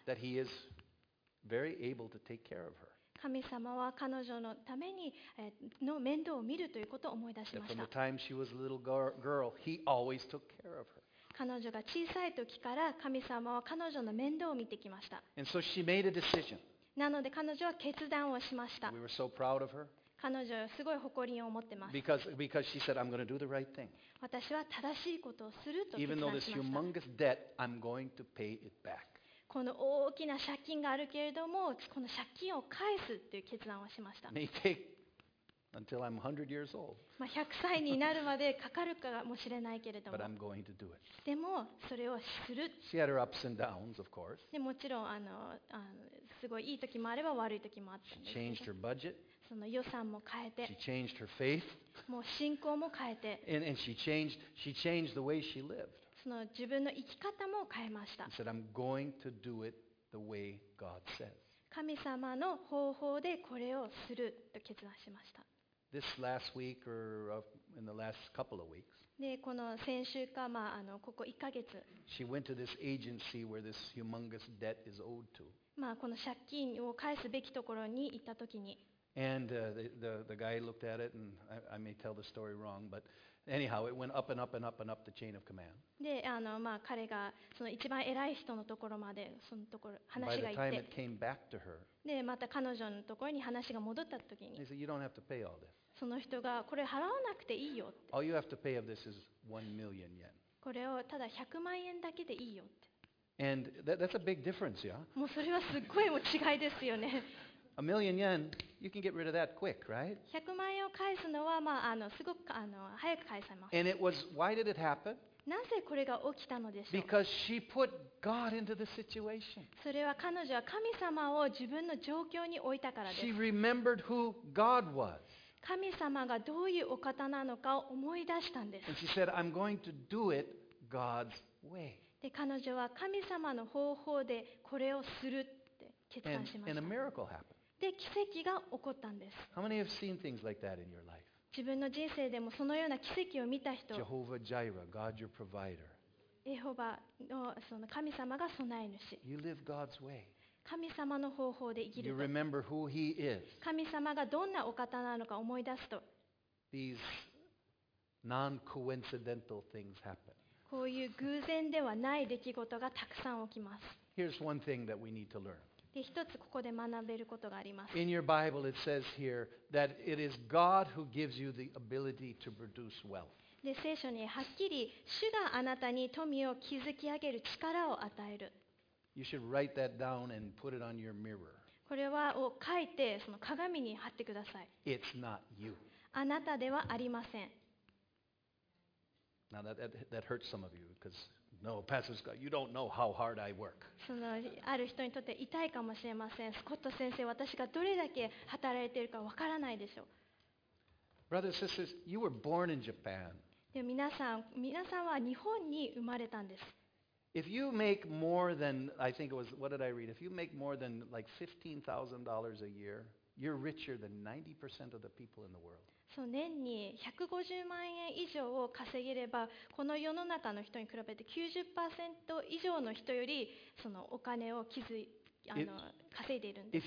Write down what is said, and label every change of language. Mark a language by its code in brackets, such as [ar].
[en] That he is very able to take care of her. [ja] 神様は彼女のためにの面倒を見るということを思い出しました。 [en] From the time she was a little girl, he always took care of her. [ja] 彼女が小さい時から神様は彼女の面倒を見てきました。 [en] And so she made a decision. [ja] なので彼女は決断をしました。 [en] We were so proud of her. [ja] 彼女はすごい誇りを持ってます。 [en] Because she said, I'm going to do the right thing. [ja] 私は正しいことをすると決断しました。 [en] Even though this humongous debt, I'm going to pay it back. [ja] この大きな借金があるけれども、この借金を返すという決断をしました。 [en] May take until I'm 100 years old. [ja] まあ100歳になるまでかかるかもしれないけれども。 [en] But I'm going to do it. [ja] でもそれをする。 [en] She had her ups and downs, of course. [ja] でもちろんすごいいい時もあれば悪い時もあって。 [en] She changed her budget. [ja] その予算も変えて、 [en] she changed her faith. [ja] もう信仰も変えて、 [en] and she changed the way she lived. [ja] その自分の生き方も変えました。 [en] She said, "I'm going to do it the way God says." [ja] 神様の方法でこれをすると決断しました。 [en] This last week or in the last couple of weeks. [ja] でこの先週かまあここ1ヶ月、 [en] she went to this agency where this humongous debt is owed to. [ja] まあこの借金を返すべきところに行った時に。 [en] And the guy looked at it, and I may tell the story wrong, but anyhow, it went up and up and up and up the chain of command. [ja] で、まあ、彼がその一番偉い人のところまでそのところ話が行って。 [en] By the time it came back to her. [ja] で、また彼女のところに話が戻った時に。 [en] He said, "You don't have to pay all this." [ja] その人がこれ払わなくていいよって。 [en] All you have to pay of this is 1 million yen. [ja] これをただ100万円だけでいいよって。 [en] And that's a big difference, yeah? [ja] もうそれはすっごいもう違いですよね。 [en] A million yen, you can get rid of that quick, right? [ja] 100万円を返すのは、まあ、すごく早く返せます。 [en] And it was, why did it happen? [ja] なぜこれが起きたのでしょう? [en] Because she put God into the situation. [ja] それは彼女は神様を自分の状況に置いたからです。 [en] She remembered who God was. [ja] 神様がどういうお方なのかを思い出したんです。 [en] And she said, I'm going to do it God's way. [ja] で、彼女は神様の方法でこれをするって決断しました。 [en] And a miracle happened. [ja] で奇跡が起こったんです。 [en] How many have seen things like that in your life? [ja] 自分の人生でもそのような奇跡を見た人。 [en] Jehovah Jireh, God your provider. [ja] エホバのその神様が備え主。 [en] You live God's way. [ja] 神様の方法で生きると。 [en] You remember who He is. [ja] 神様がどんなお方なのか思い出すと。 [en] These non-coincidental things happen. [ja] こういう偶然ではない出来事がたくさん起きます。 [en] Here's one thing that we need to learn. [ja] で一つここで学べることがあります。 [en] In your Bible, it says here that it is God who gives you the ability to produce wealth. [ja] で聖書にはっきり主があなたに富を築き上げる力を与える。 [en] You should write that down and put it on your mirror. [ja] これはを書いてその鏡に貼ってください。 [en] It's not you. [ja] あなたではありません。 [en] Now that hurts some of you because. No, Pastor Scott, you don't know how hard I work. [ja] そのある人にとって痛いかもしれません。スコット先生、私がどれだけ働いているかわからないでしょう。 [en] Brothers and sisters, you were born in Japan. [ja] で皆さん、皆さんは日本に生まれたんです。 [en] If you make more than, I think it was, what did I read? If you make more than like $15,000 a year, you're richer than 90% of the people in the world. [ja] そう、年に150万円以上を稼げれば、この世の中の人に比べて 90% 以上の人よりそのお金を稼いでいるんです。